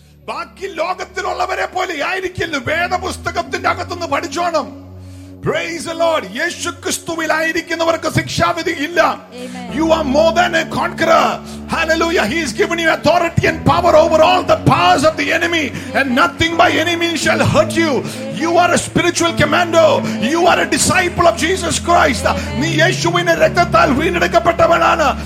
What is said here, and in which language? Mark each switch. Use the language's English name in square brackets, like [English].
[Malayalam] ബാക്കി ലോകത്തിലുള്ളവരെ പോലെ ആയിരിക്കില്ല, വേദപുസ്തകത്തിന്റെ അകത്തുനിന്ന് പഠിച്ചോണം. [English] Praise the Lord. [Malayalam] യേശു ക്രിസ്തുവിൽ ആയിരിക്കുന്നവർക്ക് ശിക്ഷാവിധി ഇല്ല. [English] You are more than a conqueror. Hallelujah. He has given you authority and power over all the powers of the enemy. And nothing by any means shall hurt you. You are a spiritual commando. You are a disciple of Jesus Christ. [Malayalam] നീ യേശുവിന്റെ രക്തത്താൽ വീണ്ടെടുക്കപ്പെട്ടവനാണ്.